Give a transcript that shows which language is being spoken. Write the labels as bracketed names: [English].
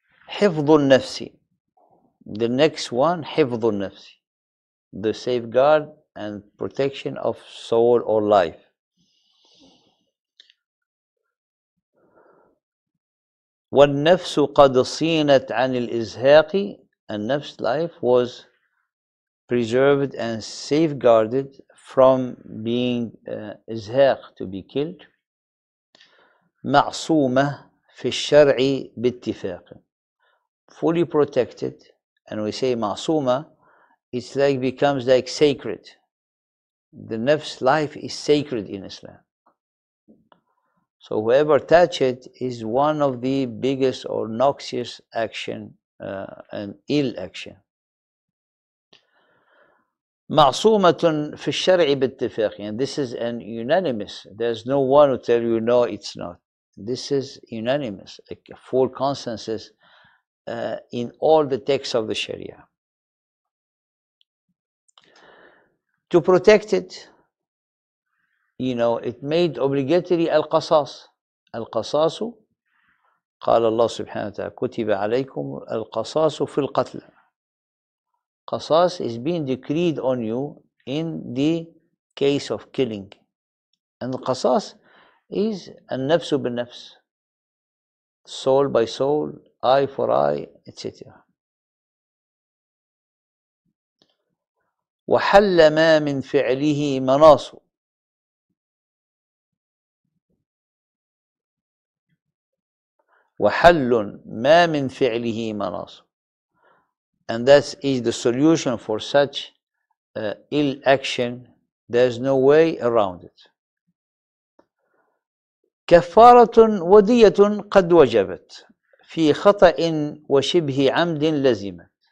[Arabic] حفظ النفس. [English] The next one, [Arabic] حفظ النفس. [English] The safeguard and protection of soul or life. [Arabic] والنفس قد صينت عن الإزهاق. [English] And نفس life was preserved and safeguarded from being إزهاق, to be killed. [Arabic] معصومة في الشرع باتفاق. [English] Fully protected, and we say ma'suma, it's like becomes like sacred. The nafs life is sacred in Islam. So whoever touch it is one of the biggest or noxious action and ill action. [Arabic] ma'suma fi shar'i bittifaq, [English] and this is an unanimous. There's no one who tell you no, it's not. This is unanimous, like a full consensus. In all the texts of the Sharia. To protect it, you know, it made obligatory al-qasas. [Arabic] Al-qasasu, قال الله سبحانه وتعالى, كتب عليكم القصاص في القتل. [English] Qasas is being decreed on you in the case of killing. And al-qasas is [Arabic] al-nafsu bil-nafs. [English] Soul by soul, eye for eye, etc. [Arabic] وحل ما من فعله مناص. وحل ما من فعله مناص. [English] And that is the solution for such ill action. There's no way around it. [Arabic] كفارة ودية قد وجبت في خطأ وشبه عمد لزمت.